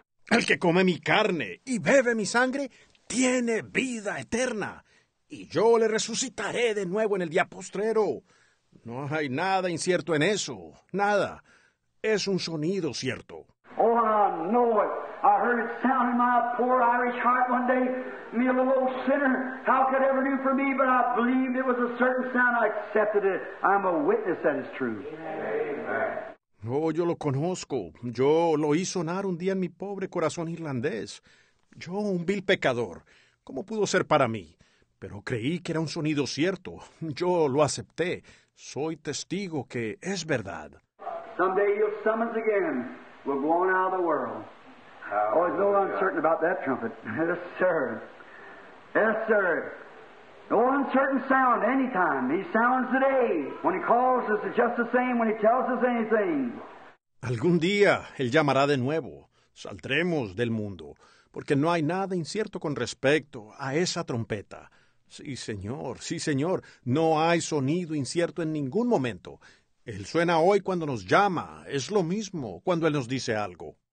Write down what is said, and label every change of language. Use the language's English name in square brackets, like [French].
[Spanish] El que come mi carne y bebe mi sangre, tiene vida eterna. Y yo le resucitaré de nuevo en el día postrero. No hay nada incierto en eso. Nada. Es un sonido cierto. [English] Oh, I know it. I heard it sound in my poor Irish heart one day. Me, a little old sinner, how could it ever do for me? But I believed it was a certain sound. I accepted it. I'm a witness that is true. Amen. [Spanish] Oh, yo lo conozco. Yo lo oí sonar un día en mi pobre corazón irlandés. Yo, un vil pecador. ¿Cómo pudo ser para mí? Pero creí que era un sonido cierto. Yo lo acepté. Soy testigo que es verdad. [English] Someday you'll summons again. We're going out of the world. Oh, there's no uncertain about that trumpet. Yes, sir. Yes, sir. No uncertain sound anytime. He sounds today. When he calls us, it's just the same when he tells us anything. [Spanish] Algún día, él llamará de nuevo. Saldremos del mundo. Porque no hay nada incierto con respecto a esa trompeta. Sí, Señor, no hay sonido incierto en ningún momento. Él suena hoy cuando nos llama. Es lo mismo cuando Él nos dice algo.